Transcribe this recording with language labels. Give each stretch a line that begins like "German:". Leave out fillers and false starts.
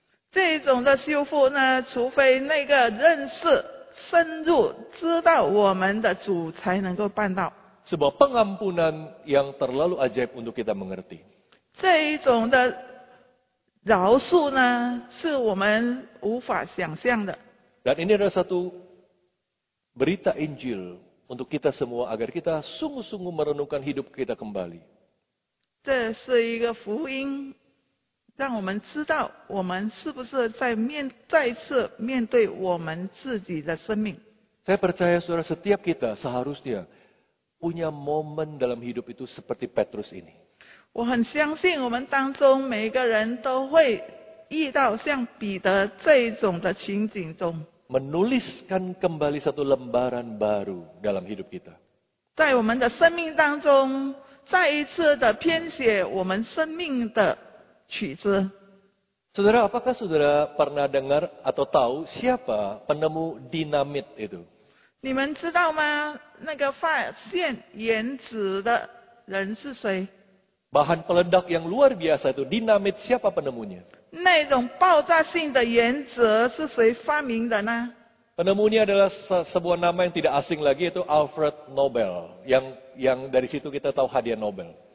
Chinese: 这种的修复呢，除非那个认识。深入知道我们的主才能够办到。
Indonesian: Sebuah pengampunan yang terlalu ajaib untuk kita mengerti.
Chinese: 这一种的饶恕呢，是我们无法想象的。
Indonesian: Dan ini adalah satu berita Injil untuk kita semua agar kita sungguh-sungguh merenungkan hidup kita kembali.
Chinese: 这是一个福音，让我们知道我们是不是在再次面对我们自己的生命。
Indonesian: Saya percaya saudara, setiap kita seharusnya punya momen dalam hidup itu seperti Petrus ini.
Chinese: 我很相信我们当中每一个人都会遇到像彼得这种的情景中。
Indonesian: Menuliskan kembali satu lembaran baru dalam hidup kita.
Chinese: 在我们的生命当中，再一次的编写我们生命的曲子。
Indonesian: Saudara, apakah saudara pernah dengar atau tahu siapa penemu dinamit itu?
Chinese: 你们知道吗？那个发现原子的人是谁？
Indonesian: Bahan peledak yang luar biasa itu dinamit, siapa penemunya?
Chinese: 那种爆炸性的原子是谁发明的呢？
Indonesian: Penemunya adalah sebuah nama yang tidak asing lagi, yaitu Alfred Nobel, yang dari situ kita tahu hadiah Nobel.